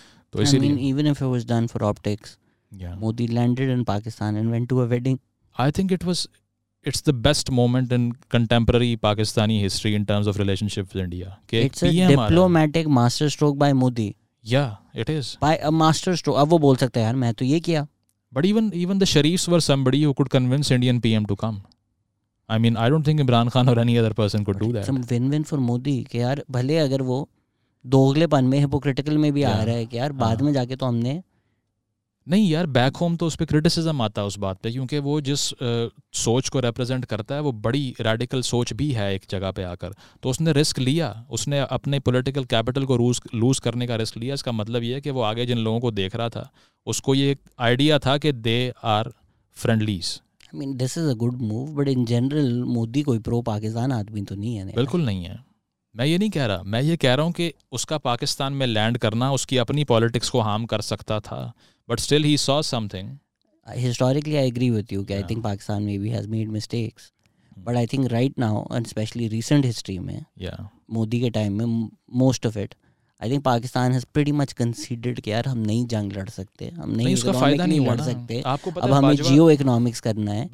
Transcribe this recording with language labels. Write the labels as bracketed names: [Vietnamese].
[Urdu] تو اسی لیے [English] Even if it was done for optics, Modi landed in Pakistan and went to a wedding. I think it was it's the best moment in contemporary Pakistani history in terms of relationship with India. It's a diplomatic master stroke by Modi. یا it is by a master stroke. [Urdu] اب وہ بول سکتا ہے یار میں تو یہ کیا, [English] But even the Sharifs were somebody who could convince Indian P M to come. I mean, I don't think Imran Khan or any other person could do that. Some win-win for Modi. [Urdu] کہ یار بھلے اگر وہ دوغلے پن میں hypocritical میں بھی آ رہا ہے کہ یار بعد میں جا کے تو ہم نے نہیں, یار بیک ہوم تو اس پہ کرٹیسزم آتا ہے اس بات پہ, کیونکہ وہ جس سوچ کو ریپرزینٹ کرتا ہے وہ بڑی ریڈیکل سوچ بھی ہے ایک جگہ پہ آ کر. تو اس نے رسک لیا, اس نے اپنے پولیٹیکل کیپٹل کو لوز کرنے کا رسک لیا. اس کا مطلب یہ ہے کہ وہ آگے جن لوگوں کو دیکھ رہا تھا اس کو یہ آئیڈیا تھا کہ [English] They are friendlies. I mean, this is a good move, but in general, Modi [Urdu] کوئی پرو پاکستان آدمی تو نہیں ہے. بالکل نہیں ہے. میں یہ نہیں کہہ رہا, میں یہ کہہ رہا ہوں کہ اس کا پاکستان میں لینڈ کرنا اس کی اپنی پالیٹکس کو ہارم کر سکتا تھا, [English] But still he so something. Historically I agree with you کہ I think Pakistan maybe has made mistakes, but I think right now and especially recent history [Urdu] میں مودی کے ٹائم میں [English] most of it I think Pakistan has pretty much considered [Urdu] کہ یار ہم نہیں جنگ لڑ سکتے, ہم نہیں اس کا فائدہ نہیں لڑ سکتے, اب ہمیں جیو اکنامکس کرنا ہے.